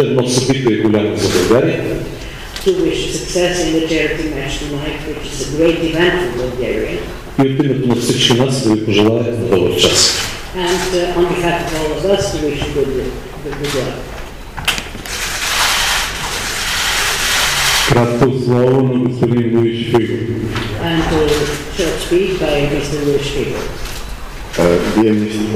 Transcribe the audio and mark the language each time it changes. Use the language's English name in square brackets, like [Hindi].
[Bulgarian] Едно събитие е голямо за България. [English] To wish success in the charity match tonight, which is a great event for Bulgaria. [Bulgarian] И от името на всички нас да ви пожелая добър час. [English] And on behalf of all of us, to wish good luck. [Bulgarian] Кратко слово на господин Луиш Фигу. [English] And a short speech by Mr. Луиш Фигу. Dear Mr.